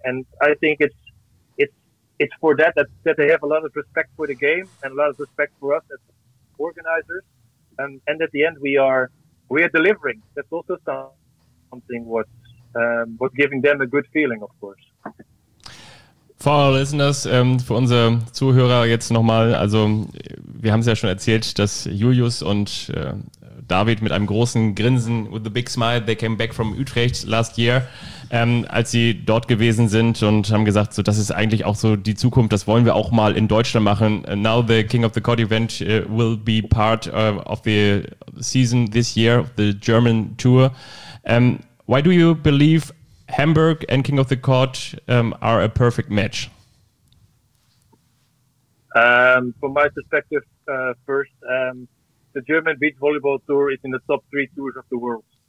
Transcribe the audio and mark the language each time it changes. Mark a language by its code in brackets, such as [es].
[en] And I think it's for that they have a lot of respect for the game and a lot of respect for us as organizers. And at the end, we are delivering. That's also something what's giving them a good feeling, of course. For our listeners, [de] für unsere Zuhörer jetzt nochmal, also wir haben es ja schon erzählt, dass Julius und David mit einem großen Grinsen, [en] with a big smile, they came back from Utrecht last year, [de] als sie dort gewesen sind und haben gesagt, so das ist eigentlich auch so die Zukunft, das wollen wir auch mal in Deutschland machen. [en] Now the King of the Court event will be part of the season this year, the German tour. Why do you believe Hamburg and King of the Court are a perfect match? From my perspective, first, the German Beach Volleyball Tour is in the top three tours of the world.